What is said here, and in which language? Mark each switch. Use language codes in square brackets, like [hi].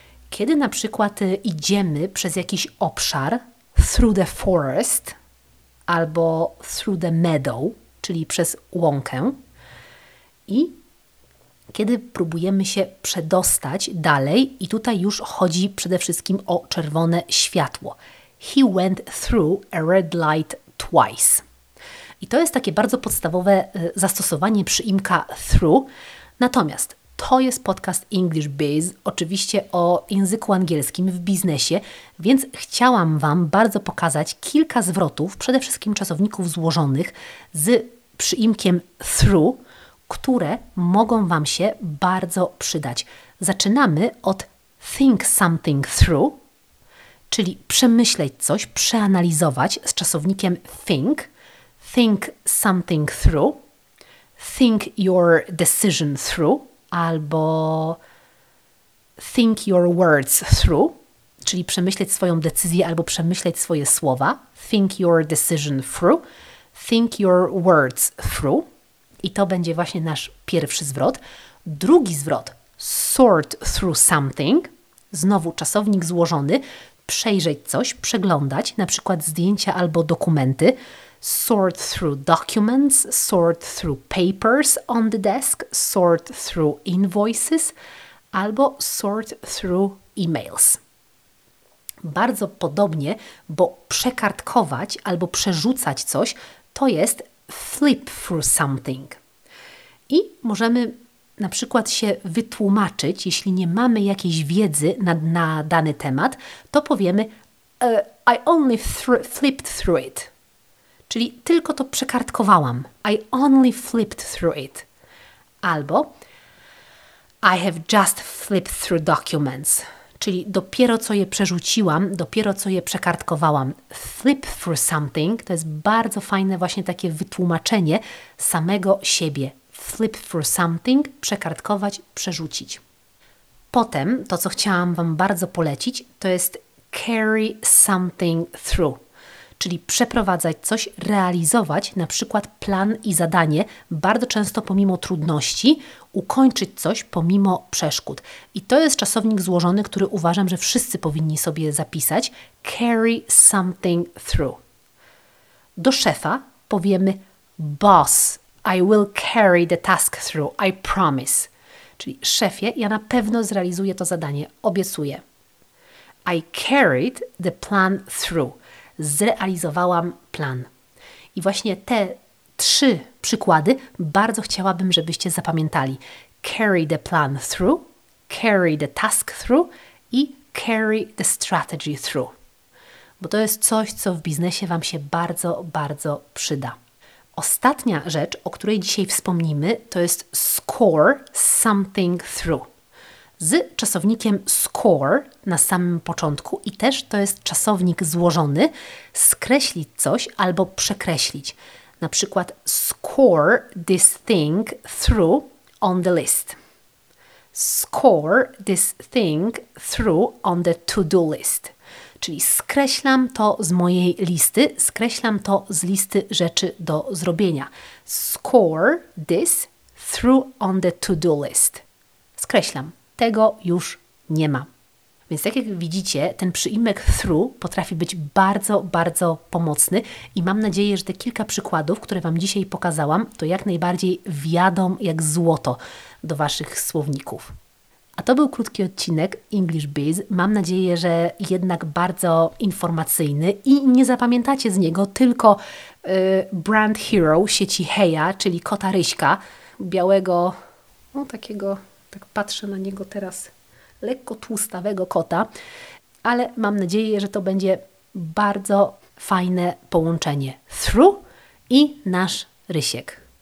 [pl] Kiedy na przykład idziemy przez jakiś obszar, [en] through the forest, [pl] albo [en] through the meadow, [pl] czyli przez łąkę. I kiedy próbujemy się przedostać dalej, i tutaj już chodzi przede wszystkim o czerwone światło. [en] He went through a red light twice. [pl] I to jest takie bardzo podstawowe zastosowanie przyimka through. Natomiast to jest podcast English Biz, oczywiście o języku angielskim w biznesie, więc chciałam Wam bardzo pokazać kilka zwrotów, przede wszystkim czasowników złożonych z przyimkiem through, które mogą Wam się bardzo przydać. Zaczynamy od [en] think something through, [pl] czyli przemyśleć coś, przeanalizować z czasownikiem think. [en] Think something through, think your decision through, albo think your words through, [pl] czyli przemyśleć swoją decyzję albo przemyśleć swoje słowa. [en] Think your decision through, think your words through. [pl] I to będzie właśnie nasz pierwszy zwrot. Drugi zwrot, [en] sort through something, [pl] znowu czasownik złożony, przejrzeć coś, przeglądać, na przykład zdjęcia albo dokumenty. [en] Sort through documents, sort through papers on the desk, sort through invoices, albo sort through emails. [pl] Bardzo podobnie, bo przekartkować albo przerzucać coś, to jest [en] flip through something. [pl] I możemy na przykład się wytłumaczyć, jeśli nie mamy jakiejś wiedzy na dany temat, to powiemy [en] I only flipped through it. [pl] Czyli tylko to przekartkowałam. [en] I only flipped through it. Albo I have just flipped through documents. [pl] Czyli dopiero co je przerzuciłam, dopiero co je przekartkowałam. [en] Flip through something [pl] to jest bardzo fajne właśnie takie wytłumaczenie samego siebie. [en] Flip through something, [pl] przekartkować, przerzucić. Potem to, co chciałam Wam bardzo polecić, to jest [en] carry something through. [pl] Czyli przeprowadzać coś, realizować na przykład plan i zadanie, bardzo często pomimo trudności, ukończyć coś pomimo przeszkód. I to jest czasownik złożony, który uważam, że wszyscy powinni sobie zapisać. [en] Carry something through. [pl] Do szefa powiemy [en] boss, I will carry the task through, I promise. [pl] Czyli szefie, ja na pewno zrealizuję to zadanie, obiecuję. [en] I carried the plan through. [pl] Zrealizowałam plan. I właśnie te trzy przykłady bardzo chciałabym, żebyście zapamiętali. [en] Carry the plan through, carry the task through i carry the strategy through. [pl] Bo to jest coś, co w biznesie Wam się bardzo, bardzo przyda. Ostatnia rzecz, o której dzisiaj wspomnimy, to jest [en] score something through. [pl] Z czasownikiem score na samym początku i też to jest czasownik złożony, skreślić coś albo przekreślić. Na przykład [en] score this thing through on the list. Score this thing through on the to-do list. [pl] Czyli skreślam to z mojej listy, skreślam to z listy rzeczy do zrobienia. [en] Score this through on the to-do list. [pl] Skreślam. Tego już nie ma. Więc tak jak widzicie, ten przyimek through potrafi być bardzo, bardzo pomocny i mam nadzieję, że te kilka przykładów, które Wam dzisiaj pokazałam, to jak najbardziej wjadą jak złoto do Waszych słowników. A to był krótki odcinek English Biz. Mam nadzieję, że jednak bardzo informacyjny i nie zapamiętacie z niego tylko brand hero sieci Heya, czyli kota Ryśka, białego, no takiego, tak patrzę na niego teraz, lekko tłustawego kota, ale mam nadzieję, że to będzie bardzo fajne połączenie through i nasz Rysiek.